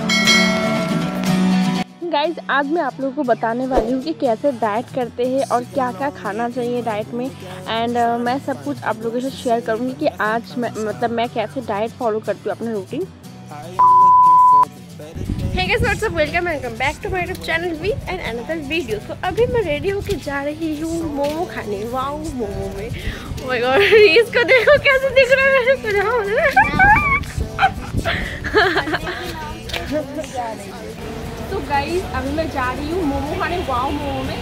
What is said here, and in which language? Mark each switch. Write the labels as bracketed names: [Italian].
[Hindi] Guys, आज मैं आप लोगों को बताने वाली हूँ कि कैसे डाइट करते हैं और क्या क्या खाना चाहिए डाइट में। एंड मैं सब कुछ आप लोगों से शेयर करूँगी कि आज मैं कैसे डाइट फॉलो करती हूँ अपना routine. [English] Hey guys, what's up? Welcome and welcome back to my YouTube channel with another video. [Hindi] So, अभी मैं रेडी होके जा रही हूँ मोमो खाने। वाओ, मोमो में, [English] oh my god, [Hindi] इसको देखो कैसे दिख रहा है। मैं तो तो गाइज, अभी मैं जा रही हूँ मोमो खाने वाओ मोमो में।